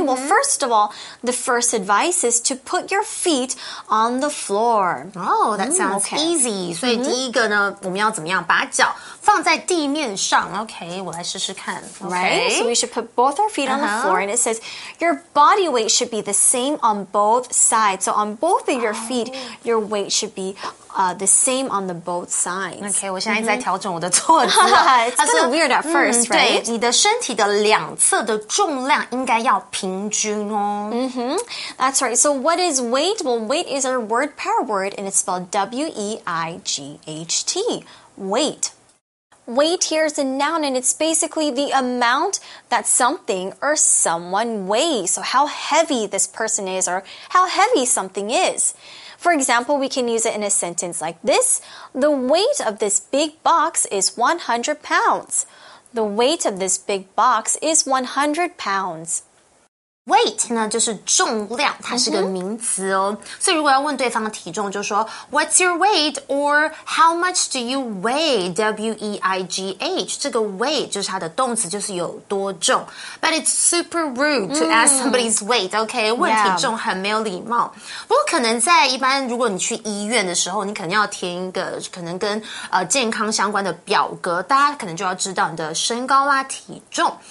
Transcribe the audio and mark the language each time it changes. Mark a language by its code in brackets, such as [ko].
[en] Well, first of all, the first advice is to put your feet on the floor. Oh, that sounds easy. [zh] 所以第一个呢，我们要怎么样把脚放在地面上？ Okay, 我来试试看。 [en] Right, so we should put both our feet on the floor. And it says, your body weight should be the same on both sides. So on both of your feet, your weight should be the same on the both sides. [zh] Okay, 我现在在调整我的坐姿了。 [en] It's kind of weird at first, right? [zh] 对，你的身体的两侧的重量应该要平均哦。 [en] That's right. So what is weight? Well, weight is our word power word, and it's spelled W-E-I-G-H-T. Weight. Weight here is a noun, and it's basically the amount that something or someone weighs. So how heavy this person is or how heavy something is. For example, we can use it in a sentence like this. The weight of this big box is 100 pounds. The weight of this big box is 100 pounds. [zh] Weight 呢就是重量，它是个名词哦。所以如果要问对方的体重，就说 [en] What's your weight? Or how much do you weigh? [zh] W-E-I-G-H 这个 weight 就是它的动词，就是有多重。 [en] But it's super rude to ask somebody's weight. [zh] Okay, 问体重很没有礼貌。不过可能在一般，如果你去医院的时候，你可能要填一个可能跟健康相关的表格，大家可能就要知道你的身高啦、体重。